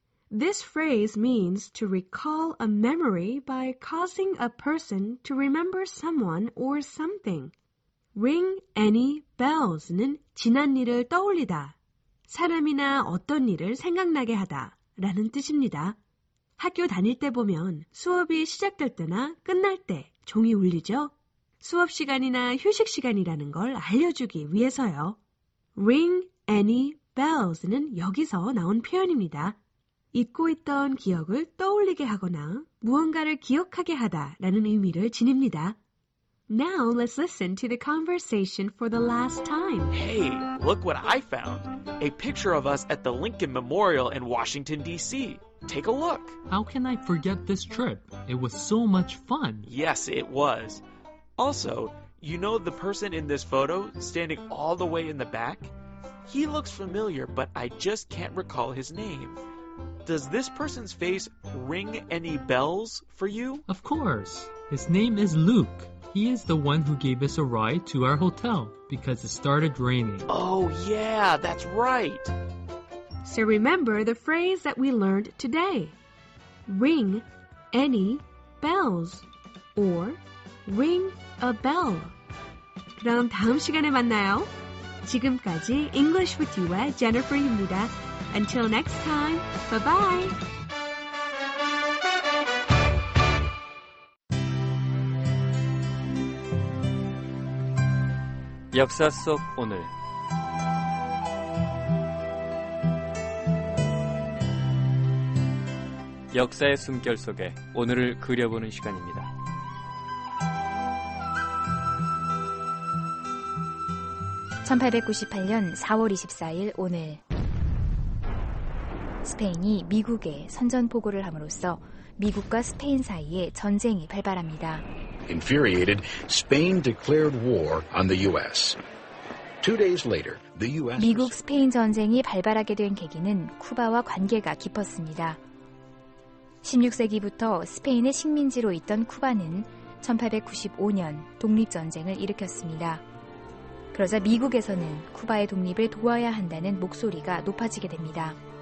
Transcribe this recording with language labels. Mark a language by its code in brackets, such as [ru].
[en] This phrase means to recall a memory by causing a person to remember someone or something. Ring any bells는 [ko] 지난 일을 떠올리다, 사람이나 어떤 일을 생각나게 하다 라는 뜻입니다. 학교 다닐 때 보면 수업이 시작될 때나 끝날 때 종이 울리죠? 수업 시간이나 휴식 시간이라는 걸 알려주기 위해서요. [en] Ring any bells [ko] 는 여기서 나온 표현입니다. 잊고 있던 기억을 떠올리게 하거나 무언가를 기억하게 하다라는 의미를 지닙니다. [en] Now let's listen to the conversation for the last time. Hey, look what I found. A picture of us at the Lincoln Memorial in Washington, D.C. Take a look. How can I forget this trip? It was so much fun. Yes, it was. Also, you know the person in this photo standing all the way in the back? He looks familiar, but I just can't recall his name. Does this person's face ring any bells for you? Of course. His name is Luke. He is the one who gave us a ride to our hotel because it started raining. Oh, yeah, that's right. So remember the phrase that we learned today. Ring any bells or Ring a bell. [ko] 그럼 다음 시간에 만나요. 지금까지 English with you와 Jennifer입니다. [en] Until next time, bye-bye. Yaksa Sok Onel. [ko] Yaksa의 숨결 속에 오늘을 그려보는 시간입니다. 1898년 4월 24일 오늘 스페인이 미국에 선전포고를 함으로써 미국과 스페인 사이에 전쟁이 발발합니다. [en] Infuriated, Spain declared war on the U.S. Two days later, the U.S. [ko] 미국 스페인 전쟁이 발발하게 된 계기는 쿠바와 관계가 깊었습니다. 16세기부터 스페인의 식민지로 있던 쿠바는 1895년 독립전쟁을 일으켰습니다. 그러자 미국에서는 쿠바의 독립을 도와야 한다는 목소리가 높아지게 됩니다.